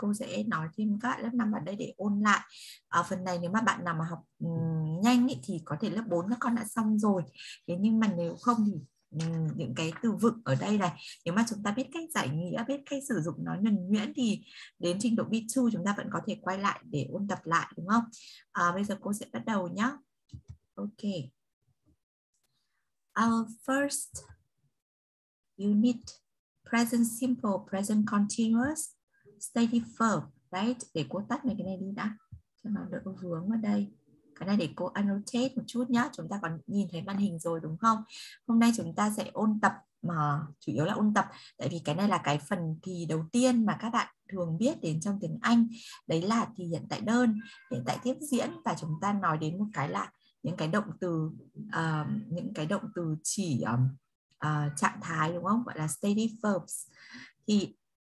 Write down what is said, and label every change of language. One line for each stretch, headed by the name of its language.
Vietnamese: Cô sẽ nói thêm các bạn lớp 5 vào đây để ôn lại. Phần này nếu mà bạn nào mà học nhanh ý, thì có thể lớp 4 các con đã xong rồi. Thế nhưng mà nếu không thì những cái từ vựng ở đây này, nếu mà chúng ta biết cách giải nghĩa, biết cách sử dụng nó nhuần nhuyễn thì đến trình độ B2 chúng ta vẫn có thể quay lại để ôn tập lại đúng không? Bây giờ cô sẽ bắt đầu nhá. Ok.
English: Our first unit, present simple, present continuous, steady verb, right?
Vietnamese: Để cô tắt mấy cái này đi đã, cho nó đỡ vướng ở đây. Cái này để cô annotate một chút nhá. Chúng ta còn nhìn thấy màn hình rồi đúng không? Hôm nay chúng ta sẽ ôn tập, mà chủ yếu là ôn tập, tại vì cái này là cái phần thì đầu tiên mà các bạn thường biết đến trong tiếng Anh. Đấy là thì hiện tại đơn, hiện tại tiếp diễn. Và chúng ta nói đến một cái là những cái động từ, những cái động từ chỉ trạng thái đúng không? Gọi là steady verbs. Thì